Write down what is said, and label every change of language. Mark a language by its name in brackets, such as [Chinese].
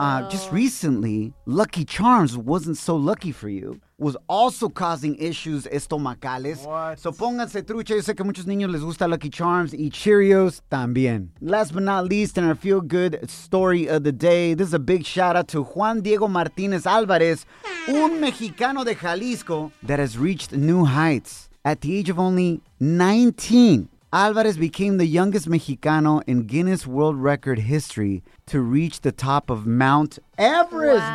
[English] Just recently, Lucky Charms wasn't so lucky for you. Was also causing issues estomacales. What? [Spanish] So pónganse trucha. Yo sé que muchos niños les gusta Lucky Charms y Cheerios también. [English] Last but not least, in our feel good story of the day, this is a big shout out to Juan Diego Martinez Alvarez, [Spanish] un mexicano de Jalisco [English] that has reached new heights. At the age of only 19, Alvarez became the youngest Mexicano in Guinness World Record history to reach the top of Mount Everest,